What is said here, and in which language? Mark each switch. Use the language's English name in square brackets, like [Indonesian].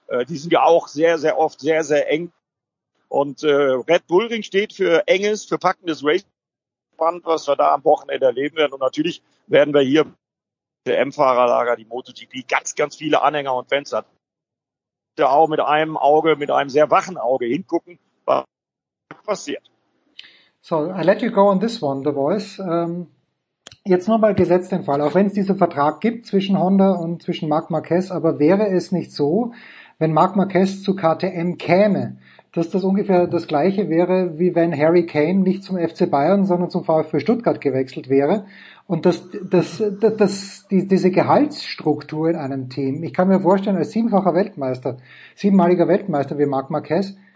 [German] Die sind ja auch sehr, sehr oft sehr, sehr eng. Und Red Bull Ring steht für enges, für packendes Racing-Band, was wir da am Wochenende erleben werden. Und natürlich werden wir hier im M-Fahrerlager, die MotoGP, ganz, ganz viele Anhänger und Fans hat. Da auch mit einem sehr wachen Auge hingucken, was passiert. [English] So, I let you go on this one, The Voice. [German] Jetzt nochmal gesetzt den Fall, auch wenn es diesen Vertrag gibt zwischen Honda und zwischen Marc Marquez, aber wäre es nicht so, wenn Marc Marquez zu KTM käme, dass das ungefähr das gleiche wäre, wie wenn Harry Kane nicht zum FC Bayern, sondern zum VfB Stuttgart gewechselt wäre und diese Gehaltsstruktur in einem Team, ich kann mir vorstellen, als siebenmaliger Weltmeister wie Marc Marquez,